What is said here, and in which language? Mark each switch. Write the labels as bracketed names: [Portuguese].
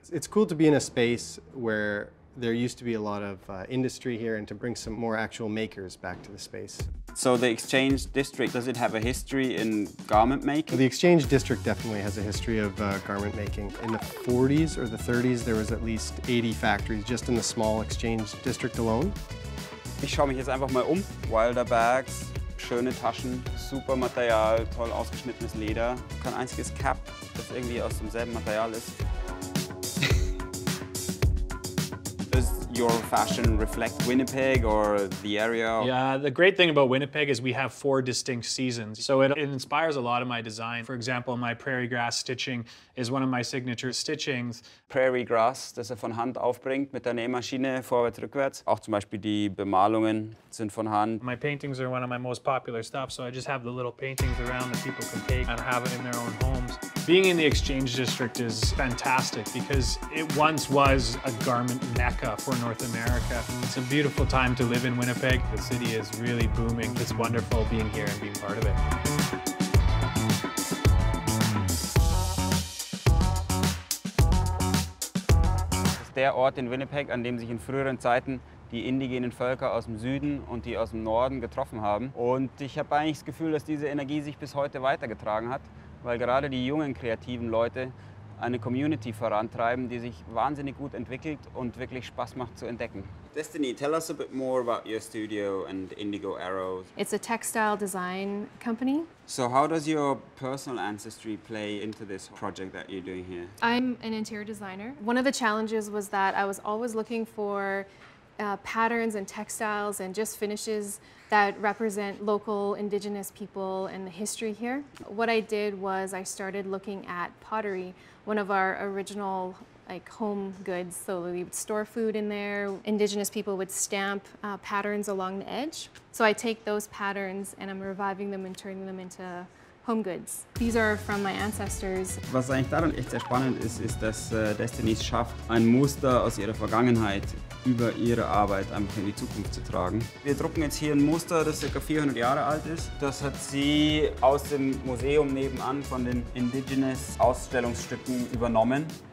[English] It's cool to be in a space where there used to be a lot of industry here and to bring some more actual makers back to the space. So the Exchange District, does it have a history in garment making? The Exchange District definitely has a history of garment making. In the 40s or the 30s, there was at least 80 factories just in the small Exchange District alone. [German] Ich schaue mich jetzt einfach mal um. Wilder Bags, schöne Taschen, super Material, toll ausgeschnittenes Leder. Kein einziges Cap, das irgendwie aus demselben Material ist. [English] Your fashion reflect Winnipeg or the area? Yeah, the great thing about Winnipeg is we have four distinct seasons. So it inspires a lot of my design. For example, my prairie grass stitching is one of my signature stitchings. [German] Prairie grass, das er von Hand aufbringt mit der Nähmaschine vorwärts, rückwärts. Auch zum Beispiel die Bemalungen sind von Hand. [English] My paintings are one of my most popular stuff, so I just have the little paintings around that people can take and have it in their own homes. Being in the Exchange District is fantastic because it once was a garment mecca for North America. It's a beautiful time to live in Winnipeg. The city is really booming. It's wonderful being here and being part of it. [German] Das ist der Ort in Winnipeg, an dem sich in früheren Zeiten die indigenen Völker aus dem Süden und die aus dem Norden getroffen haben. Und ich habe eigentlich das Gefühl, dass diese Energie sich bis heute weitergetragen hat, weil gerade die jungen kreativen Leute eine Community vorantreiben, die sich wahnsinnig gut entwickelt und wirklich Spaß macht zu entdecken. [English] Destiny, tell us a bit more about your studio and Indigo Arrows. It's a textile design company. So how does your personal ancestry play into this project that you're doing here? I'm an interior designer. One of the challenges was that I was always looking for patterns and textiles and just finishes that represent local indigenous people and the history here. What I did was I started looking at pottery, one of our original like home goods. So we would store food in there. Indigenous people would stamp patterns along the edge. So I take those patterns and I'm reviving them and turning them into home goods. These are from my ancestors. [German] Was eigentlich daran echt sehr spannend ist, ist, dass Destiny es schafft, ein Muster aus ihrer Vergangenheit über ihre Arbeit einfach in die Zukunft zu tragen. Wir drucken jetzt hier ein Muster, das ca. 400 Jahre alt ist. Das hat sie aus dem Museum nebenan von den Indigenous Ausstellungsstücken übernommen.